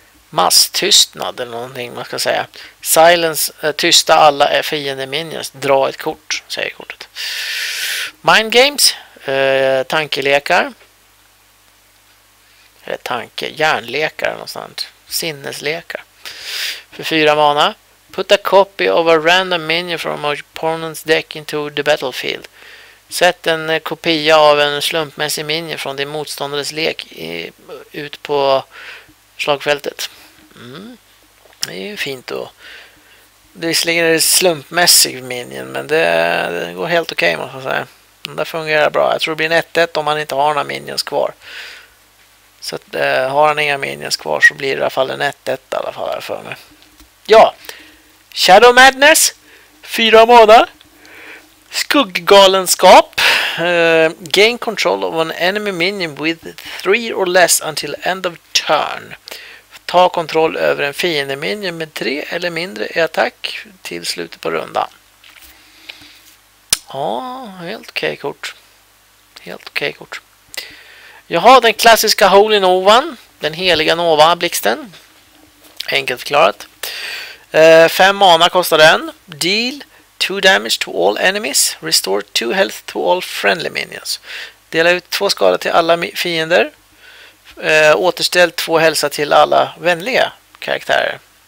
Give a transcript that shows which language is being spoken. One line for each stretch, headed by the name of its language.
Swedish: Mass tystnad eller någonting man ska säga. Silence, tysta alla fiende minions. Dra ett kort, säger kortet. Mind games, tankelekar. Eller tanke, hjärnlekar någonstans. Sinneslekar. För 4 mana.
English: Put a copy of a random minion from your opponent's deck into the battlefield.
Swedish: Sätt en kopia av en slumpmässig minion från din motståndares lek ut på slagfältet. Det är ju fint då. Visserligen är det slumpmässig minion, men det går helt okej, man får säga. Den där fungerar bra. Jag tror det blir en 1-1 om man inte har några minions kvar. Så att, har han inga minions kvar så blir det i alla fall en 1-1 i alla fall här för mig. Ja! Shadow Madness, 4 mana. Skugggalenskap.
English: Gain control of an enemy minion with 3 or less until end of turn.
Swedish: Ta kontroll över en fiende minion med 3 eller mindre i attack till slutet på rundan. Ja, helt okej kort. Helt okej kort. Jag har den klassiska Holy Novan, den heliga Nova-blixten. Enkelt förklarat. 5 mana kostar den.
English: Deal 2 damage to all enemies. Restore 2 health to all friendly minions.
Swedish: Dela ut 2 skada till alla fiender. Återställ 2 hälsa till alla vänliga karaktärer.